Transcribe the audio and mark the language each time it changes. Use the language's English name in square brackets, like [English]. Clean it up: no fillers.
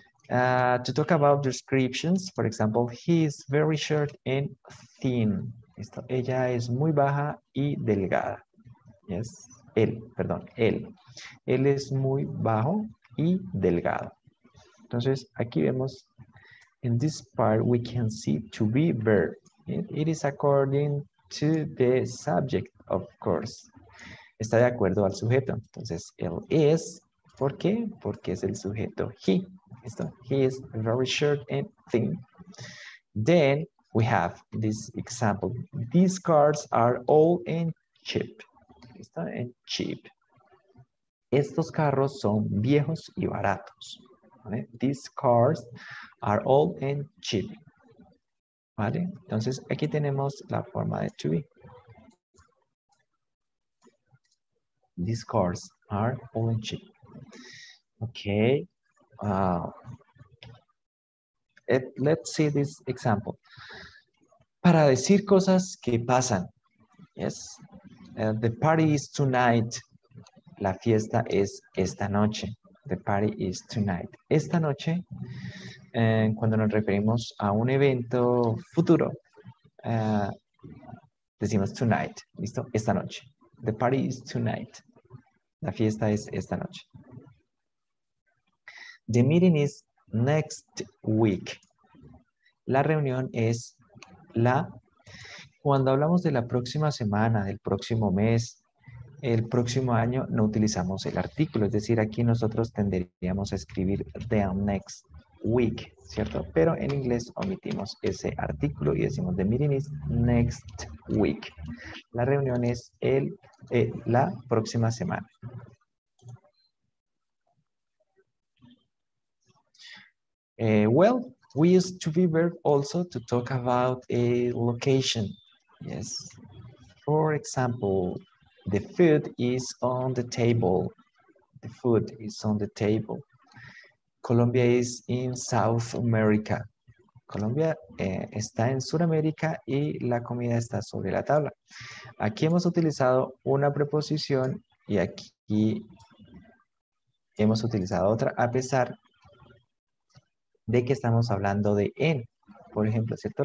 [English] To talk about descriptions, for example, he is very short and thin. [Spanish] Esto, ella es muy baja y delgada. [English] Yes, [Spanish] él. Él es muy bajo y delgado. Entonces, aquí vemos, [English] in this part, we can see to be verb. It is according to the subject, of course. [Spanish] Está de acuerdo al sujeto. Entonces, él es, ¿por qué? Porque es el sujeto he. [English] So he is very short and thin. Then we have this example. These cars are old and cheap. [Spanish] ¿Listo? [English] And cheap. [Spanish] Estos carros son viejos y baratos. ¿Vale? [English] These cars are old and cheap. [Spanish] ¿Vale? Entonces aquí tenemos la forma de to be. [English] These cars are old and cheap. Okay. Let's see this example. [Spanish] Para decir cosas que pasan. [English] Yes. The party is tonight. [Spanish] La fiesta es esta noche. [English] The party is tonight. [Spanish] Esta noche, cuando nos referimos a un evento futuro, decimos tonight. ¿Listo? Esta noche. [English] The party is tonight. [Spanish] La fiesta es esta noche. [English] The meeting is next week. [Spanish] La reunión es la... Cuando hablamos de la próxima semana, del próximo mes, el próximo año, no utilizamos el artículo. Es decir, aquí nosotros tenderíamos a escribir the next week, ¿cierto? Pero en inglés omitimos ese artículo y decimos [English] the meeting is next week. [Spanish] La reunión es la próxima semana. [English] Well, we use to be verb also to talk about a location. Yes. For example, the food is on the table. The food is on the table. Colombia is in South America. [Spanish] Colombia está en Sudamérica y la comida está sobre la tabla. Aquí hemos utilizado una preposición y aquí hemos utilizado otra a pesar de que estamos hablando de en. Por ejemplo, ¿cierto?